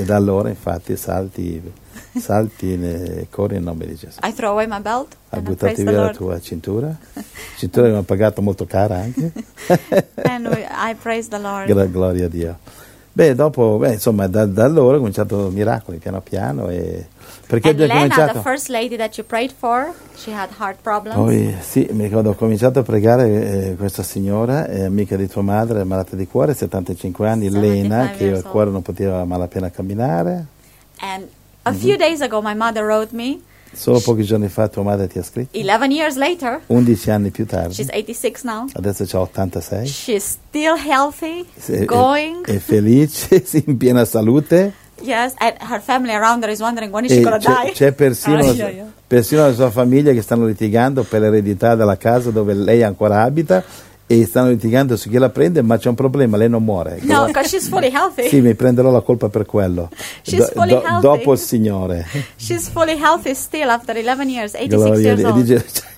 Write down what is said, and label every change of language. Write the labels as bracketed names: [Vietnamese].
[Italian] E da allora infatti salti e corri in nome di Gesù. [English] I throw away my belt. [Italian] Hai buttato via la tua cintura. Cintura che mi ha pagato molto cara anche. [English] And I praise the Lord. [Italian] Gloria a Dio. Beh, dopo, beh, insomma, da allora ho cominciato miracoli piano piano. E perché [English] and [Italian] abbiamo cominciato? [English] The first lady that you prayed for, she had heart problems. [Italian] Poi, sì, mi ricordo, ho cominciato a pregare questa signora, amica di tua madre, malata di cuore, 75 anni, 75 Lena, che il cuore non poteva malapena camminare. [English] And a few days ago my mother wrote me. [Italian] Solo pochi giorni fa tua madre ti ha scritto. [English] 11 years later. [Italian] 11 anni più tardi. [English] She's 86 now. [Italian] Adesso c'ha 86. [English] She's still healthy, going. [Italian] È felice, in piena salute. [English] Yes, and her family around her is wondering when is she gonna die. [Italian] C'è persino la sua famiglia che stanno litigando per l'eredità della casa dove lei ancora abita. E stanno litigando su chi la prende, ma c'è un problema, lei non muore. [English] No, because she's fully healthy. [Italian] Sì, mi prenderò la colpa per quello. [English] She's fully healthy. [Italian] Dopo il Signore. [English] She's fully healthy still after 11 years, 86 years old.